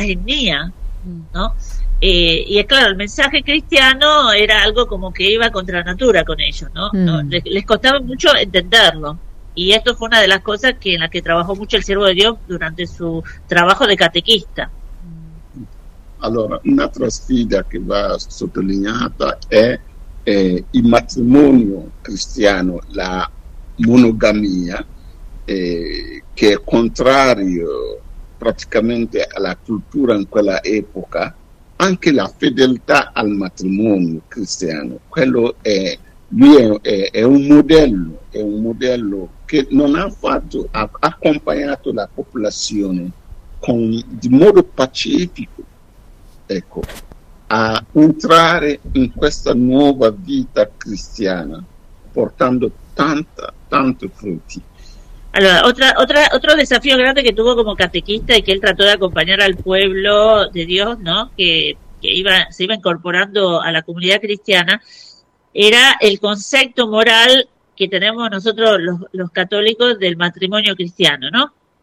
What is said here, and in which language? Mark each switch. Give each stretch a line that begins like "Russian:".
Spanish: De las etnias, ¿no? Y es claro, el mensaje cristiano era algo como que iba contra natura con ellos, ¿no? No, les costaba mucho entenderlo. Y esto fue una de las cosas en las que trabajó mucho el siervo de Dios durante su trabajo de catequista.
Italian: Allora, un'altra sfida che va sottolineata è il matrimonio cristiano, la monogamia, che è contrario praticamente alla cultura in quella epoca, anche la fedeltà al matrimonio cristiano. Quello è un modello, è un modello che non ha fatto, ha accompagnato la popolazione di modo pacifico. Ecco, a entrare in questa nuova vita cristiana portando tanti frutti.
Spanish: Otro desafío grande que tuvo como catequista y que él trató de acompañar al pueblo de Dios, ¿no? Que iba, se iba incorporando a la comunidad cristiana, era el concepto moral que tenemos nosotros los católicos del matrimonio cristiano, ¿no?